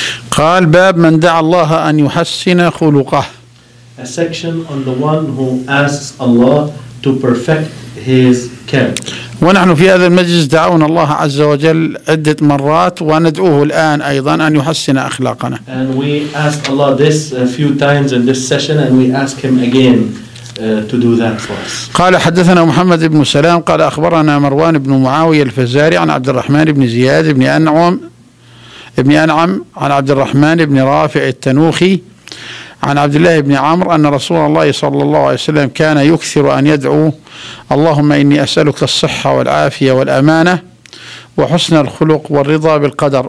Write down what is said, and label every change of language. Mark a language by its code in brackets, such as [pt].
[ar] قال باب من دعا الله أن يحسن خلقه. [en] A section on the one who asks Allah to perfect his character. [ar] ونحن في هذا المجلس دعونا الله عز وجل عدة مرات وندعوه الآن أيضا أن يحسن أخلاقنا. [en] And we ask Allah this a few times in this session, and we ask him again to do that for us. [ar] قال حدثنا محمد بن سلام قال أخبرنا مروان بن معاوية الفزاري عن عبد الرحمن بن زياد بن أنعم بن أنعم عن عبد الرحمن بن رافع التنوخي عن عبد الله بن عمرو أن رسول الله صلى الله عليه وسلم كان يكثر أن يدعو اللهم إني أسألك الصحة والعافية والأمانة وحسن الخلق والرضا بالقدر.